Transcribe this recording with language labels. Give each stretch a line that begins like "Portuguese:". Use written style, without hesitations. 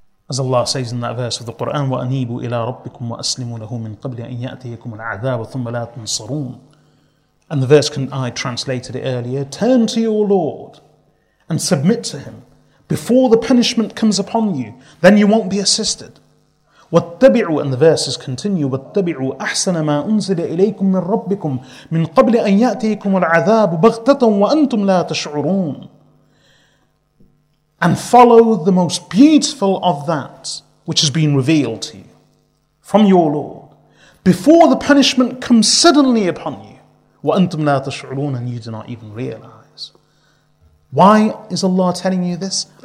English: As Allah says in that verse of the Qur'an,
Arabic: وَأَنِيبُوا إِلَىٰ رَبِّكُمْ وَأَسْلِمُوا لَهُ مِنْ قَبْلِ أَنْ يَأْتِيَكُمُ الْعَذَابُ ثُمَّ لَا تُنْصَرُونَ.
English: And the verse, I translated it earlier, turn to your Lord and submit to Him before the punishment comes upon you, then you won't be assisted.
Arabic: واتبعوا,
English: and the verses continue,
Arabic: واتبعوا أحسن ما أنزل إليكم من ربكم من قبل أن يأتيكم العذاب بغتة وأنتم لا تشعرون.
English: And follow the most beautiful of that which has been revealed to you from your Lord before the punishment comes suddenly upon you.
Arabic: وَأَنْتُمْ لَا تَشْعُرُونَ,
English: and you do not even realize. Why is Allah telling you this?